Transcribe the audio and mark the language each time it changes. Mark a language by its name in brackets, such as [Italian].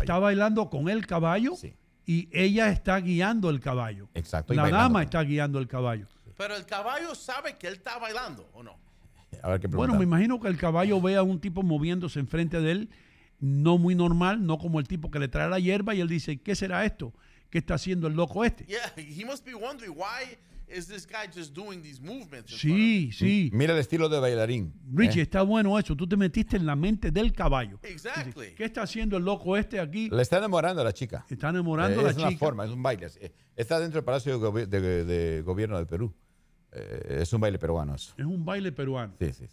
[Spanish] Está bailando con el caballo. Sí. Y ella está guiando el caballo. Exacto. La dama está guiando el caballo. Pero el caballo sabe que él está bailando, ¿o no? A ver qué pregunta. Bueno, me imagino que el caballo ve a un tipo moviéndose enfrente de él, no muy normal, no como el tipo que le trae la hierba, y él dice, ¿qué será esto? ¿Qué está haciendo el loco este? [English] Yeah, he must be wondering why is this guy just doing these movements. [Spanish] Sí, sí. Mira el estilo de bailarín. Richie, está bueno eso. Tú te metiste en la mente del caballo. [English] Exactly. [Spanish] Dice, ¿qué está haciendo el loco este aquí? Le está enamorando a la chica. Está enamorando a la chica. Es una forma, es un baile. Está dentro del Palacio de Gobierno de Perú. Es un baile peruano eso. Es un baile peruano. Sí, sí.